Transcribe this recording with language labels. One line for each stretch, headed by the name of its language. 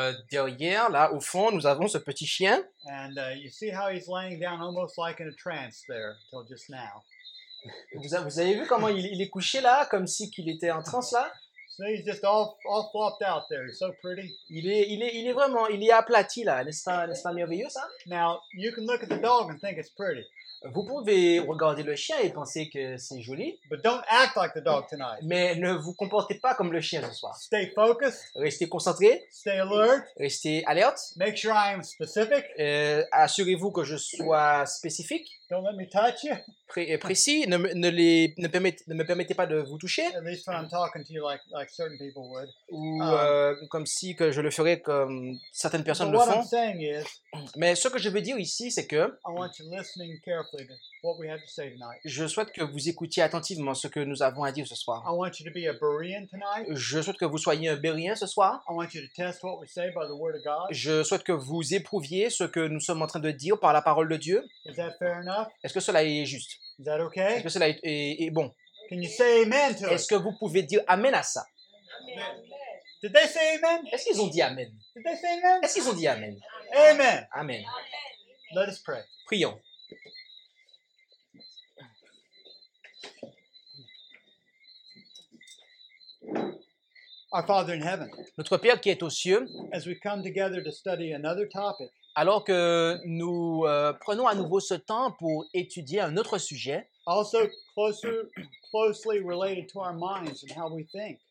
French: Derrière, là, au fond, nous avons ce petit chien.
English: And you see how he's laying down almost like in a trance there till just now.
French: Vous avez vu comment il est couché là, comme si qu'il était en transe là.
English: So he's just all flopped out there. He's so pretty.
French: Il est vraiment, il est aplati là. N'est-ce pas merveilleux ça?
English: Now you can look at the dog and think it's pretty.
French: Vous pouvez regarder le chien et penser que c'est joli.
English: But don't act like the dog tonight.
French: Mais ne vous comportez pas comme le chien ce soir.
English: Stay focused.
French: Restez concentré.
English: Stay alert.
French: Restez alerte.
English: Make sure I am specific.
French: Assurez-vous que je sois spécifique.
English: Don't let me touch you.
French: Précis. Ne me permettez pas de vous toucher.
English: At least when I'm talking to you like certain people would.
French: Comme si que je le ferais comme certaines personnes le font.
English: What I'm saying is,
French: mais ce que je veux dire ici, c'est que
English: I want you listening carefully to what we have to say tonight.
French: Je souhaite que vous écoutiez attentivement ce que nous avons à dire ce soir.
English: I want you to be a Berean tonight.
French: Je souhaite que vous soyez un Berean ce soir.
English: I want you to test what we say by the word of God.
French: Je souhaite que vous éprouviez ce que nous sommes en train de dire par la parole de Dieu.
English: Is that fair enough?
French: Est-ce que cela est juste?
English: Is that okay?
French: Est-ce que cela est bon?
English: Can you say amen to it?
French: Est-ce que vous pouvez dire amen à ça? Amen.
English: Did they say amen?
French: Est-ce qu'ils ont dit amen?
English: Did they say amen?
French: Est-ce qu'ils ont dit amen? Amen. Amen.
English: Let us pray.
French: Prions.
English: Our Father in heaven.
French: Notre Père qui est aux cieux.
English: As we come together to study another topic.
French: Alors que nous prenons à nouveau ce temps pour étudier un autre sujet.
English: Also closely related to our minds and how we think.